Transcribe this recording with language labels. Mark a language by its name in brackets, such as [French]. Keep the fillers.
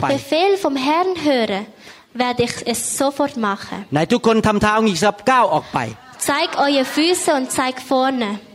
[German] befehl vom Herrn höre, werde ich es sofort machen. [Thai] ไหนทุกคนทำเท้าอีกสักก้าวออกไป [German] Zeig eure Füße und zeig vorne.